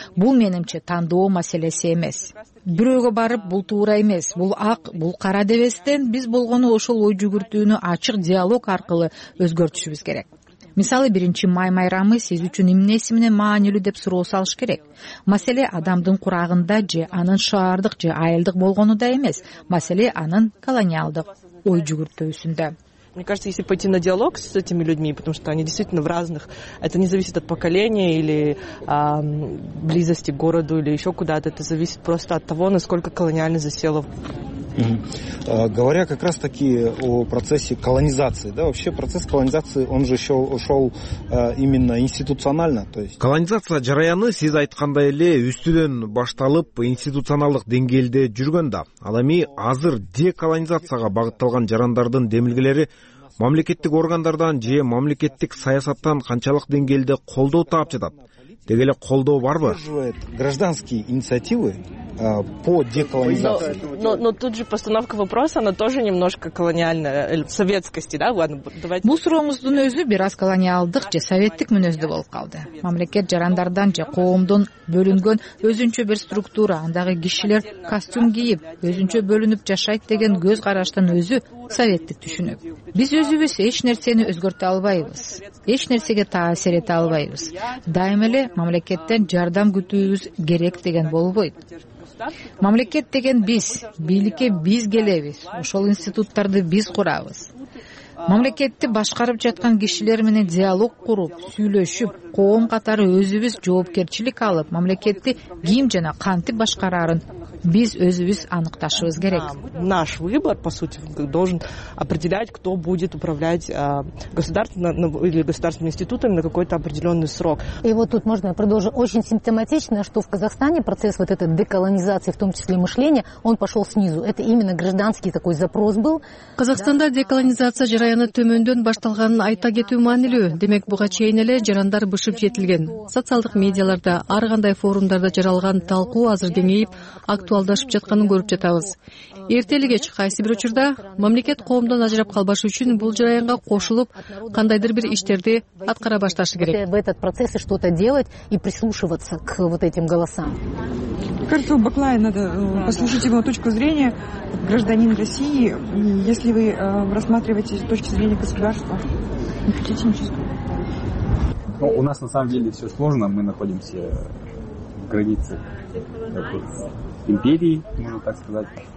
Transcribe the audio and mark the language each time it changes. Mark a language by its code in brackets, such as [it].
[ky] Бул менимче тандоо маселеси эмес. Бирөөгө барып бул туура эмес, бул ак, бул кара дебестен биз болгону ошол ой жүгүртүүнү ачык диалог аркылуу өзгөртүшүбүз керек. Мисалы, 1 май майрамы сиз үчүн эмнеси менен маанилүү деп суроо салыш керек. Маселе адамдын курагында же анын шаардык же айылдык болгонуда эмес, маселе анын колониалдык ой жүгүртүүсүндө. [ru] Мне кажется, если пойти на диалог с этими людьми, потому что они действительно в разных... Это не зависит от поколения или близости к городу или еще куда-то. Это зависит просто от того, насколько колониально засело. Говоря как раз-таки о процессе колонизации, да, вообще процесс колонизации, он же еще ушел именно институционально. То есть... [ky] Колонизация жараяны сиз айткандай эле үстүдөн башталып институционалдык деңгээлде жүргөн да. Ал эми азыр деколонизацияга багытталган жарандардын демилгелери мамлекеттик органдардан же мамлекеттик саясаттан канчалык деңгээлде колдоо таап жатат? Деги эле колдоо барбы? [ru] Гражданские инициативы по деколонизации. Но тут же постановка вопроса, она тоже немножко колониальная, советскости, да? Ладно, давайте. [ky] Бул суроомуздун өзү бир аз колониалдык же советтик мүнөздө болуп калды. Мамлекет жарандардан же коомдон бөлүнгөн өзүнчө бир структура, андагы кишилер костюм кийип, өзүнчө бөлүнүп жашайт деген көз караштын өзү советтик түшүнүк. Биз өзүбүз эч нерсени өзгөртө албайбыз, эч нерсеге таасир эте албайбыз. Дайым эле мамлекеттен жардам күтүүбүз керек деген болбойт. Мамлекет деген биз, бийликке биз келебиз, ошол институттарды биз курабыз. Мамлекетти башкарып жаткан кишилер менен диалог куруп, сүйлөшүп, коом катары өзүбүз жоопкерчилик алып, мамлекетти ким жана кантип башкарарын биз өзүбүз аныкташыбыз керек. [ru] Наш выбор, по сути, должен определять, кто будет управлять государственным или государственными институтами на какой-то определенный срок. И вот тут можно продолжить. Очень симптоматично, что в Казахстане процесс вот этой деколонизации, в том числе мышления, он пошел снизу. Это именно гражданский такой запрос был. [ky] Казахстанда деколонизация жараяны төмөндөн башталганын айта кетүү маанилүү. Демек, буга чейин эле жарандар бышып жетилген. Социалдык медиаларда, ар кандай форумдарда жаралган талкуу азыр кеңейип, актуалдашып жатканын көрүп жатабыз. Эрте эле кеч, кайсы бир учурда мамлекет коомдон ажырап калбашы үчүн бул жараянга кошулуп, кандайдыр бир иштерди аткара башташы керек. [ru] В этот процессе что-то делать и прислушиваться к вот этим голосам. Карту Баклай, надо послушать его точку зрения, гражданин России, если вы рассматриваете с точки зрения государства, не хотите ничего сказать? Ну, у нас на самом деле все сложно, мы находимся в границе империи, можно так сказать.